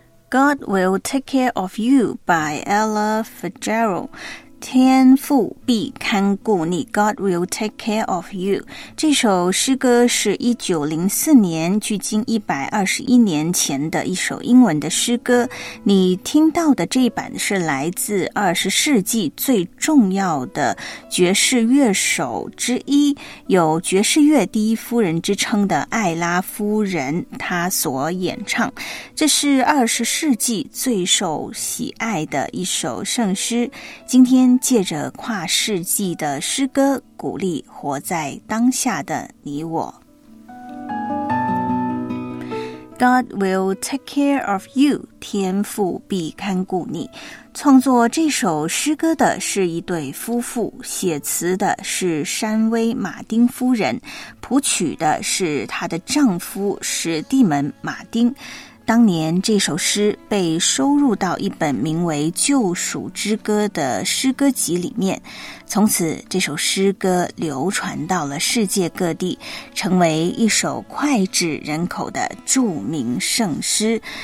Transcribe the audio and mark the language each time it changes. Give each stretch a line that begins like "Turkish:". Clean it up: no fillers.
English: God will take care of you by Ella Fitzgerald.
Chinese: 天父必看顾你。
English: God will take care of you.
Chinese: 这首诗歌是1904年，距今121年前的一首英文的诗歌。你听到的这一版是来自20世纪最重要的爵士乐手之一，有爵士乐第一夫人之称的艾拉夫人，她所演唱。这是20世纪最受喜爱的一首圣诗。今天借着跨世纪的诗歌，鼓励活在当下的你我。
English: God will take care of you，
Chinese: 天父必看顾你。创作这首诗歌的是一对夫妇，写词的是山威马丁夫人，谱曲的是她的丈夫史蒂门马丁。当年这首诗被收入到一本名为《救赎之歌》的诗歌集里面，从此这首诗歌流传到了世界各地，成为一首脍炙人口的著名圣诗。